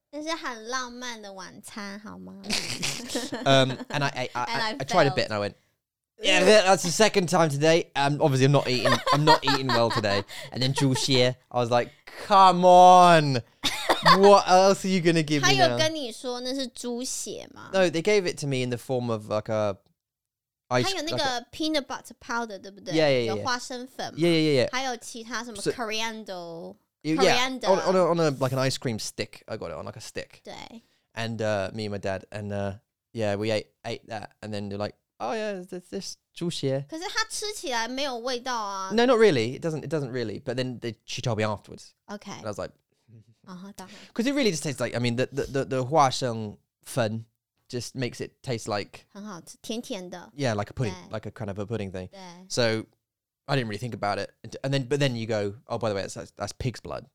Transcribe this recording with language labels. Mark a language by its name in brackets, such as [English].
[Chinese] 那是很浪漫的晚餐,好吗? [English] and I tried a bit and I went, yeah, that's the second time today. Obviously, I'm not eating well today. And then Zhu Xie, I was like, come on. What else are you going to give me now? [Chinese] 他有跟你说那是猪血吗? [English] No, they gave it to me in the form of like a... [Chinese] 他有那个 peanut butter powder, 对不对? [English] Yeah, yeah, yeah. [Chinese] 有花生粉吗? [English] Yeah, yeah, yeah, yeah. [Chinese] 还有其他什么 coriander... [English] Yeah, on a, like an ice cream stick. I got it on like a stick. [Chinese] 对. [English] And me and my dad. And yeah, we ate that, and then they're like, oh yeah, this juicy. [Chinese] 可是它吃起来没有味道啊。 [English] No, not really. It doesn't really. But then she told me afterwards. Okay. And I was like, uh-huh, because it really just tastes like, I mean, the 花生粉 just makes it taste like [Chinese] 很好吃，甜甜的。 [English] Yeah, like a pudding, like a kind of a pudding thing. So I didn't really think about it, but then you go, oh, by the way, that's pig's blood.